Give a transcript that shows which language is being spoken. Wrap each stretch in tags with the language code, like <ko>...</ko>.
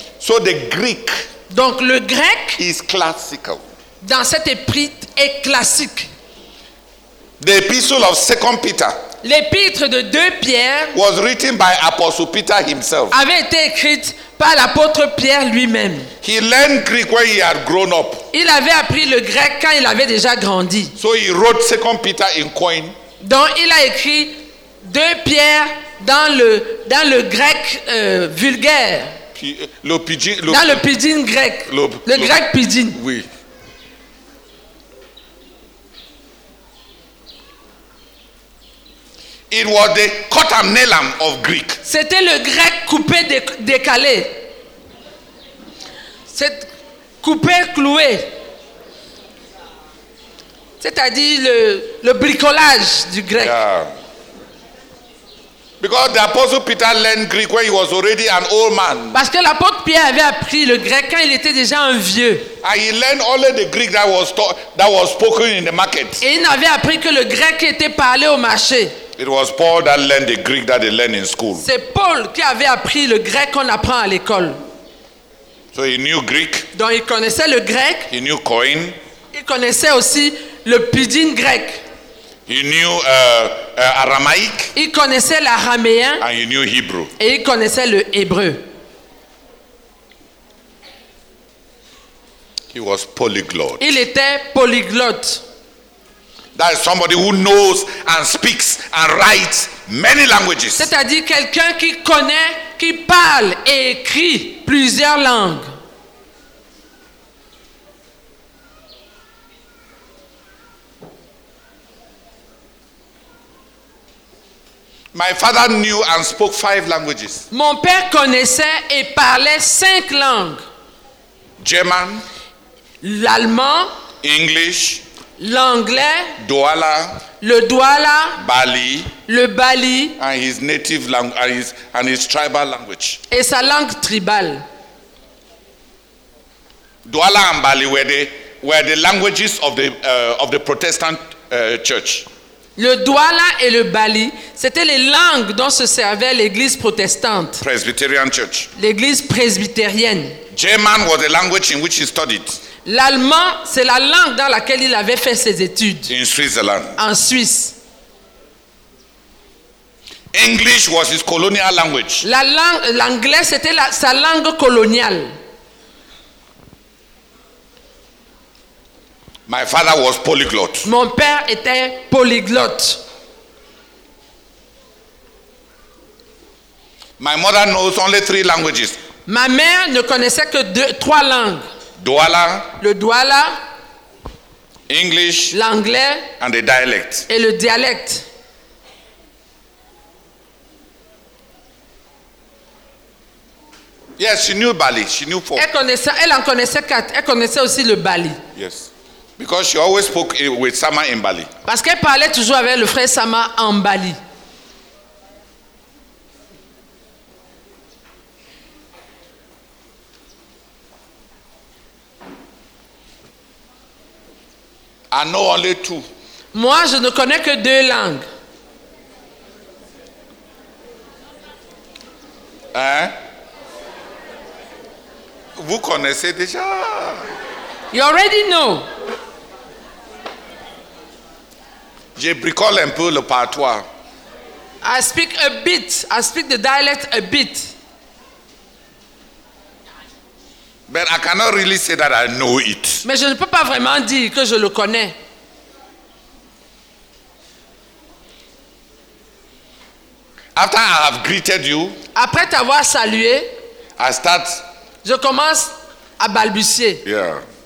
<en>So the Greek.</en> <fr>Donc le grec.</fr> <en>Is classical.</en> <fr>Dans cet épître est classique.</fr> <en>The epistle of 2 Peter.</en> <fr>L'épître de 2 Pierre.</fr> <en>Was written by Apostle Peter himself.</en> <fr>Avait été écrite par l'apôtre Pierre lui-même.</fr> <en>He learned Greek when he had grown up.</en> <fr>Il avait appris le grec quand il avait déjà grandi.</fr> <en>So he wrote 2 Peter in coin.</en> <fr>Donc il a écrit 2 Pierre dans le grec vulgaire. Le grec pidgin. Oui.</fr> <en>It was the kotam nelam of Greek.</en> <fr>C'était le grec coupé décalé. C'est coupé cloué. C'est-à-dire le bricolage du grec. Yeah.</fr> <en>Because the apostle Peter learned Greek when he was already an old man.</en> <fr>Parce que l'apôtre Pierre avait appris le grec quand il était déjà un vieux.</fr> <en>And he learned only the Greek that was spoken in the market.</en> <fr>Et il n'avait appris que le grec qui était parlé au marché.</fr> <en>It was Paul that learned the Greek that they learned in school.</en> <fr>C'est Paul qui avait appris le grec qu'on apprend à l'école.</fr> <en>So he knew Greek.</en> <fr>Donc il connaissait le grec.</fr> <en>He knew coin.</en> <fr>Il connaissait aussi le pidgin grec.</fr> <en>He knew Aramaic.</en> <fr>Il connaissait l'araméen.</fr> <en>And he knew Hebrew.</en> <fr>Et il connaissait le hébreu.</fr> <en>He was polyglot.</en> <fr>Il était polyglotte.</fr> <en>That is somebody who knows and speaks and writes many languages.</en> <fr>C'est-à-dire quelqu'un qui connaît, qui parle et écrit plusieurs langues.</fr> <en>My father knew and spoke 5 languages.</en> <fr>Mon père connaissait et parlait 5 langues.</fr> <en>German.</en> <fr>L'allemand.</fr> <en>English.</en> <fr>L'anglais,</fr> <en>Douala,</en> <fr>le Douala,</fr> <en>Bali,</en> <fr>le Bali,</fr> <en>and his native language and his tribal language.</en> <fr>Et sa langue tribale.</fr> <en>Douala and Bali were the languages of the Protestant church.</en> <fr>Le Douala et le Bali, c'était les langues dont se servait l'église protestante.</fr> <en>Presbyterian church.</en> <fr>L'église presbytérienne.</fr> <en>German was the language in which he studied.</en> <fr>L'allemand, c'est la langue dans laquelle il avait fait ses études.</fr> <en>In Switzerland.</en> <fr>En Suisse.</fr> <en>English was his colonial language.</en> <fr>L'anglais, c'était sa langue coloniale.</fr> <en>My father was polyglot.</en> <fr>Mon père était polyglotte.</fr> <en>My mother knows only three languages.</en> <fr>Ma mère ne connaissait que trois langues.</fr> <en>Douala.</en> <fr>Le Douala.</fr> <en>English.</en> <fr>L'anglais.</fr> <en>And the dialect.</en> <fr>Et le dialecte.</fr> <en>Yes, she knew Bali. She knew four.</en> <fr>Elle en connaissait quatre. Elle connaissait aussi le Bali.</fr> <en>Yes. Because she always spoke with Sama in Bali.</en> <fr>Parce qu'elle parlait toujours avec le frère Sama en Bali.</fr> <en>I know only two.</en> <fr>Moi, je ne connais que deux langues. Hein? Vous connaissez déjà.</fr> <en>You already know.</en> <fr>Je bricole un peu le patois.</fr> <en>I speak a bit. I speak the dialect a bit. But I cannot really say that I know it.</en> <fr>Mais je ne peux pas vraiment dire que je le connais.</fr> <en>After I have greeted you,</en> <fr>après t'avoir salué,</fr> <en>I start.</en> <fr>Je commence à balbutier. Yeah.</fr>